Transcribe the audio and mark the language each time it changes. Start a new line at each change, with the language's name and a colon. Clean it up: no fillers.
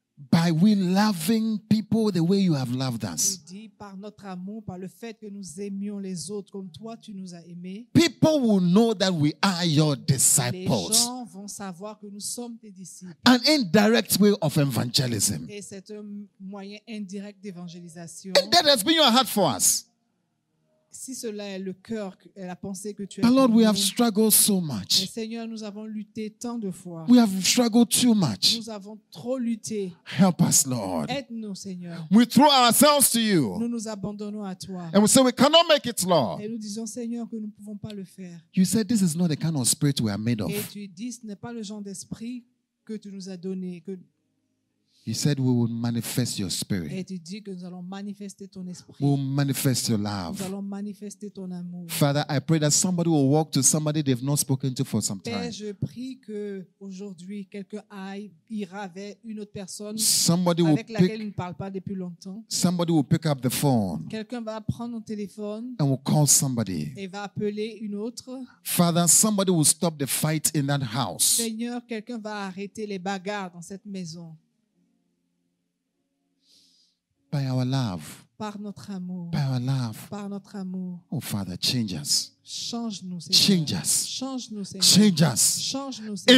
English: By we loving people the way you have loved us.
French: Par notre amour, par le fait que nous aimions les autres comme toi tu nous as aimés.
English: People will know that we are your disciples.
French: Les gens vont savoir que nous sommes tes disciples.
English: An indirect way of evangelism.
French: Et c'est un moyen indirect d'évangélisation.
English: And that has been your heart for us.
French: Si cela est le cœur, la pensée que tu as.
English: Lord, we have struggled so much.
French: Mais Seigneur, nous avons lutté tant de fois.
English: We have struggled too much.
French: Nous avons trop lutté.
English: Help us, Lord.
French: Aide-nous, Seigneur.
English: We throw ourselves to you.
French: Nous nous abandonnons à toi.
English: And we say we cannot make it, Lord.
French: Et nous disons, Seigneur, que nous ne pouvons pas le faire.
English: You said this is not the kind of spirit we are made of.
French: Et tu dis, ce n'est pas le genre d'esprit que tu nous as donné. Que
English: You said we will manifest your spirit.
French: Et tu dis que nous allons manifester ton esprit.
English: We will manifest your love.
French: Nous allons manifester ton amour.
English: Father, I pray that somebody will walk to somebody they've not spoken to for some time.
French: Père, je prie que aujourd'hui quelqu'un aille ira vers une autre personne
English: somebody
French: avec
English: will
French: laquelle
English: pick,
French: il ne parle pas depuis longtemps.
English: Somebody will pick up the phone.
French: Quelqu'un va prendre un téléphone
English: and will call somebody.
French: Et va appeler une autre.
English: Father, somebody will stop the fight in that house.
French: Seigneur, quelqu'un va arrêter les bagarres dans cette maison.
English: By our love.
French: Par notre amour.
English: By our love.
French: Par notre amour.
English: Oh Father, change us.
French: Change-nous, Seigneur.
English: Change us.
French: Change-nous, Seigneur.
English: Change us.
French: Change-nous, Seigneur.